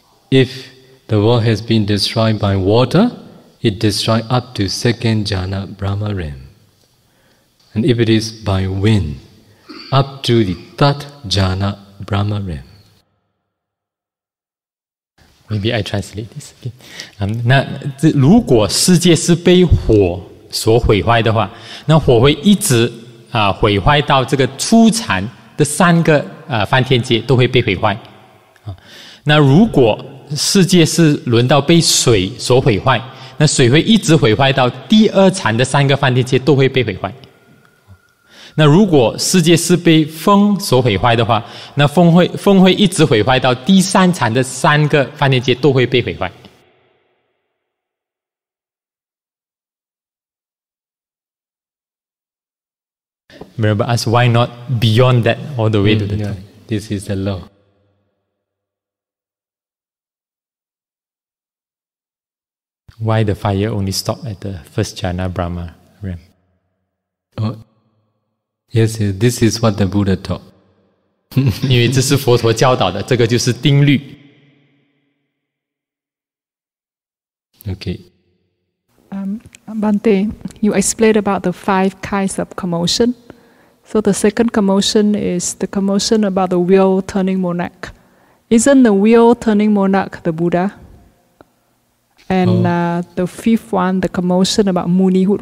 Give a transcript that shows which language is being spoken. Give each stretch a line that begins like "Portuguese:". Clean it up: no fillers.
English: If the world has been destroyed by water, it destroys up to second jhana Brahma realm. And if it is by wind, up to the third jhana Brahma realm. Maybe I translate this again.
Chinese: 那如果世界是被火所毁坏的话，那火会一直毁坏到这个初禅的三个梵天劫都会被毁坏啊。那如果世界是轮到被水所毁坏，那水会一直毁坏到第二禅的三个梵天劫都会被毁坏。那如果世界是被风所毁坏的话，那风会一直毁坏到第三禅的三个梵天劫都会被毁坏。
English: Remember, ask why not beyond that all the way to the top. This is the law. Why the fire only stop at the first jhana Brahma realm? Oh, yes, this is what the Buddha taught.
Chinese: 因为这是佛陀教导的，这个就是定律。
English: Okay. Bhante, you explained about the five kinds of commotion. So the second commotion is the commotion about the wheel turning monarch. Isn't the wheel turning monarch the Buddha? And the fifth one, the commotion about Munihood.